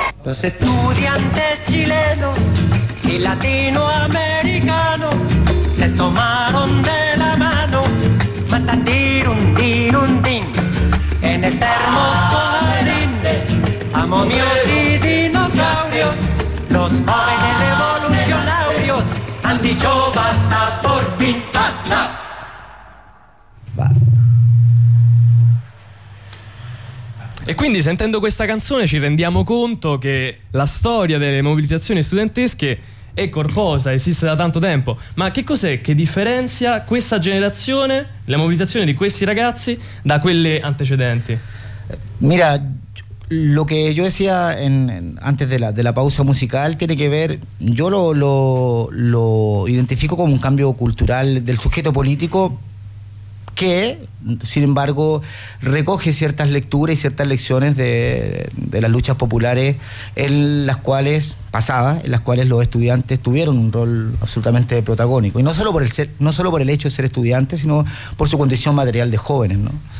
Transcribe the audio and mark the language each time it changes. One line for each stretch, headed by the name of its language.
Spanish: los estudiantes chilenos y latinoamericanos se tomaron de la mano, matatirum, tirum, din, en este hermoso jardín de momios y dinosaurios, los jóvenes evolucionarios han dicho basta por fin, basta.
Italian: E quindi sentendo questa canzone ci rendiamo conto che la storia delle mobilitazioni studentesche è corposa, esiste da tanto tempo. Ma che cos'è che differenzia questa generazione, la mobilitazione di questi ragazzi, da quelle antecedenti?
Spanish: Mira, lo que yo decía antes de la pausa musical tiene que ver, yo lo identifico como un cambio cultural del sujeto político, que sin embargo recoge ciertas lecturas y ciertas lecciones de las luchas populares en las cuales pasadas, en las cuales los estudiantes tuvieron un rol absolutamente protagónico, y no solo por el hecho de ser estudiantes, sino por su condición material de jóvenes, ¿no?